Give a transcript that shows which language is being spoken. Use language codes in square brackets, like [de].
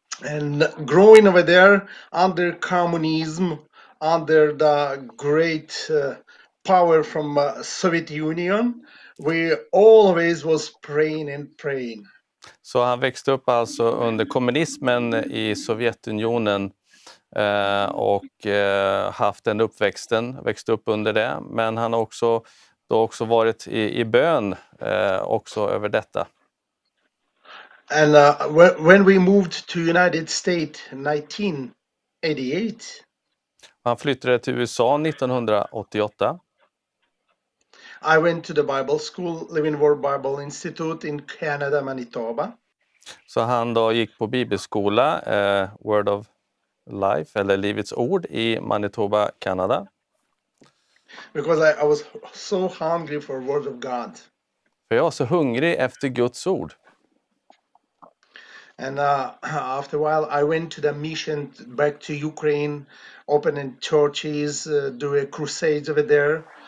[en] And growing over there under communism, under the great power from Soviet Union, we always was praying and praying. [sv] Så han växte upp alltså under kommunismen i Sovjetunionen och haft den uppväxten, växte upp under det, men han har också då också varit i bön också över detta. [en] And when we moved to United States 1988. [sv] Han flyttade till USA 1988. [en] I went to the Bible school, Living Word Bible Institute in Canada, Manitoba. [sv] Så han då gick på bibelskola, Word of Life, eller Livets ord, i Manitoba, Kanada. [en] Because I was so hungry for Word of God. [sv] För jag var så hungrig efter Guds ord. [en] And after a while I went to the mission back to Ukraine, opening churches, doing crusades over there.